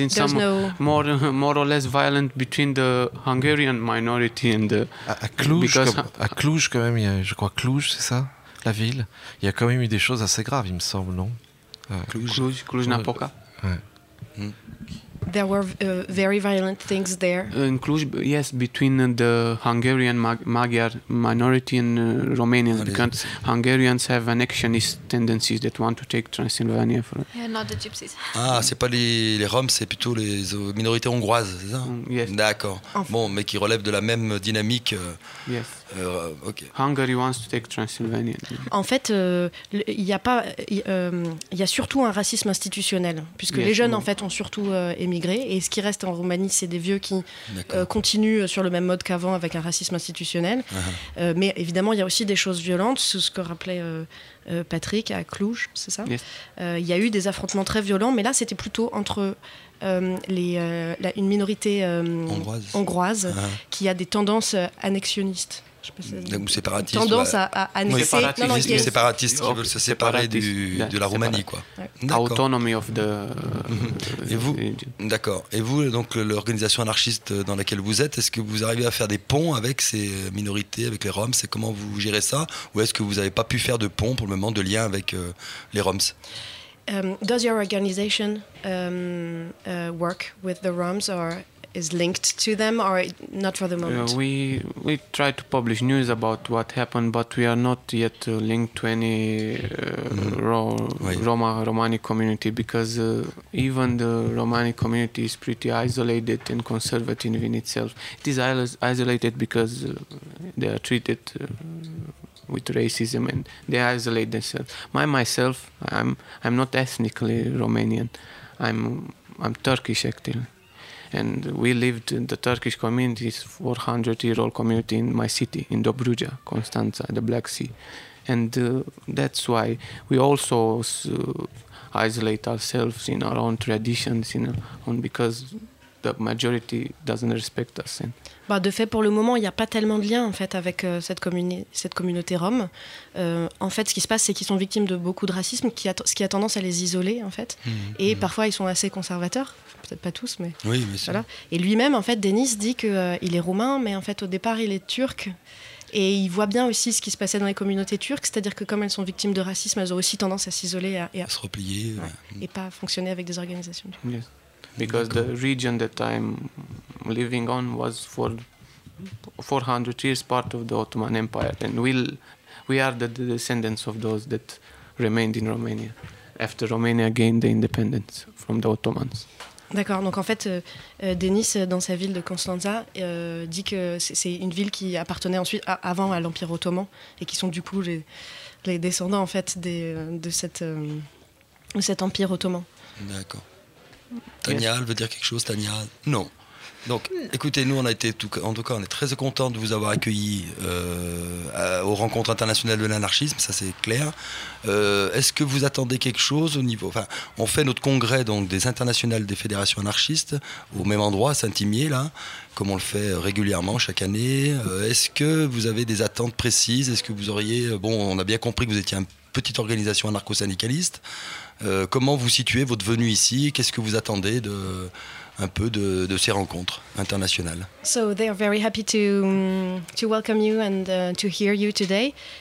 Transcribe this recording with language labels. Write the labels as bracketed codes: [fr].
[en] In some more or less violent between the Hungarian minority and the... [fr] À Cluj, quand même, je crois Cluj, c'est ça, la ville. Il y a quand même eu des choses assez graves, il me semble, non? Cluj-Napoca. Ouais. [en] There were very violent things there. In Cluj, yes, between the Hungarian Magyar minority and Romanians, because Hungarians have an actionist tendency that want to take Transylvania for. Yeah, not the Gypsies. [fr] Ah, c'est pas les Roms, c'est plutôt les minorités hongroises, c'est ça? [en] Yes. [fr] D'accord. Bon, mais qui relèvent de la même dynamique. [en] Yes. Okay. Hungary wants to take Transylvania. [fr] En fait, il y a surtout un racisme institutionnel, puisque les jeunes, en fait, ont surtout émigré. Et ce qui reste en Roumanie, c'est des vieux qui continuent sur le même mode qu'avant, avec un racisme institutionnel. Mais évidemment, il y a aussi des choses violentes, sous ce que rappelait Patrick à Cluj, c'est ça. Il y a eu des affrontements très violents, mais là, c'était plutôt entre une minorité hongroise qui a des tendances annexionnistes. Séparatistes. Tendance à annexer. Séparatistes qui veulent se séparer de la Roumanie, quoi. D'accord. [en] Autonomy of the. [fr] Et vous, d'accord. Et vous, donc, l'organisation anarchiste dans laquelle vous êtes, est-ce que vous arrivez à faire des ponts avec ces minorités, avec les Roms? C'est comment vous gérez ça? Ou est-ce que vous n'avez pas pu faire de pont pour le moment, de lien avec les Roms? [en] Does your organization work with the Roms or is linked to them or not for the moment? We try to publish news about what happened, but we are not yet linked to any Romani community, because even the Romani community is pretty isolated and conservative in itself. It is isolated because they are treated with racism and they isolate themselves. Myself, I'm not ethnically Romanian. I'm Turkish, actually. And we lived in the Turkish community, 400-year-old community in my city, in Dobruja, Constanța, the Black Sea. And that's why we also isolate ourselves in our own traditions, you know, because the majority doesn't respect us. And [fr] bah, de fait, pour le moment, il n'y a pas tellement de lien en fait, avec cette communauté rom. En fait, ce qui se passe, c'est qu'ils sont victimes de beaucoup de racisme, ce qui a tendance à les isoler, en fait. Parfois, ils sont assez conservateurs. Peut-être pas tous, mais... Oui, bien sûr. Voilà. Et lui-même, en fait, Denis dit qu'il est roumain, mais en fait, au départ, il est turc. Et il voit bien aussi ce qui se passait dans les communautés turques, c'est-à-dire que comme elles sont victimes de racisme, elles ont aussi tendance à s'isoler et à se replier. Ouais. Et pas fonctionner avec des organisations. Oui. [en] Because the region that I'm living on was for 400 years part of the Ottoman Empire, and we are the descendants of those that remained in Romania after Romania gained the independence from the Ottomans. [fr] D'accord. Donc en fait, Denis, dans sa ville de Constanța, dit que c'est une ville qui appartenait ensuite avant à l'Empire ottoman et qui sont du coup les descendants en fait de cet empire ottoman. D'accord. Tania, elle veut dire quelque chose, Tania? Non. Donc, écoutez, nous, on est très contents de vous avoir accueillis aux rencontres internationales de l'anarchisme, ça c'est clair. Est-ce que vous attendez quelque chose au niveau... Enfin, on fait notre congrès donc, des internationales des fédérations anarchistes, au même endroit, Saint-Imier, là, comme on le fait régulièrement chaque année. Est-ce que vous avez des attentes précises? Est-ce que vous auriez... Bon, on a bien compris que vous étiez une petite organisation anarcho-syndicaliste. Comment vous situez votre venue ici? Qu'est-ce que vous attendez de un peu de ces rencontres internationales? [en] So they are very happy to welcome you and to hear you today.